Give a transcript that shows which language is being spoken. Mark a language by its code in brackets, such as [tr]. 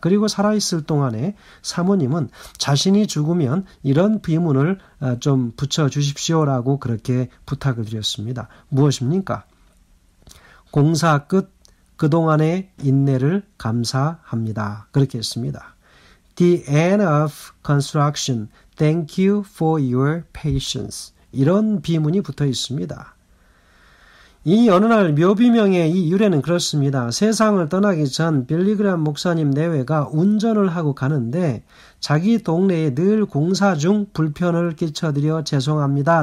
[ko] 그리고 살아있을 동안에 사모님은 자신이 죽으면 이런 비문을 좀 붙여주십시오라고 그렇게 부탁을 드렸습니다. 무엇입니까? 공사 끝 그동안의 인내를 감사합니다. 그렇게 했습니다. [en] The end of construction. Thank you for your patience. [ko] 이런 비문이 붙어 있습니다. 이 어느 날 묘비명의 이 유래는 그렇습니다. 세상을 떠나기 전 빌리 그레함 목사님 내외가 운전을 하고 가는데 자기 동네에 늘 공사 중 불편을 끼쳐드려 죄송합니다.